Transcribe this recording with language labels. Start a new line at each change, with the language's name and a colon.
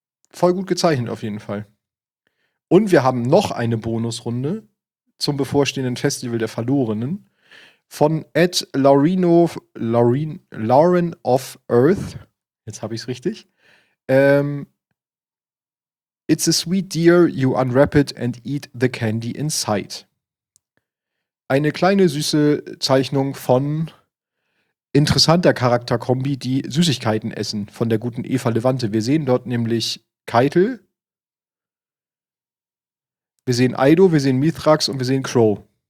German: Voll gut gezeichnet auf jeden Fall. Und wir haben noch eine Bonusrunde zum bevorstehenden Festival der Verlorenen von Ed Laurino, Lauren of Earth. Jetzt habe ich es richtig.
English: It's a sweet deer, you unwrap it and eat the candy inside.
German: Eine kleine süße Zeichnung von interessanter Charakterkombi, die Süßigkeiten essen, von der guten Eva Levante. Wir sehen dort nämlich Keitel. Wir sehen Eido, wir sehen Mithrax und wir sehen Crow.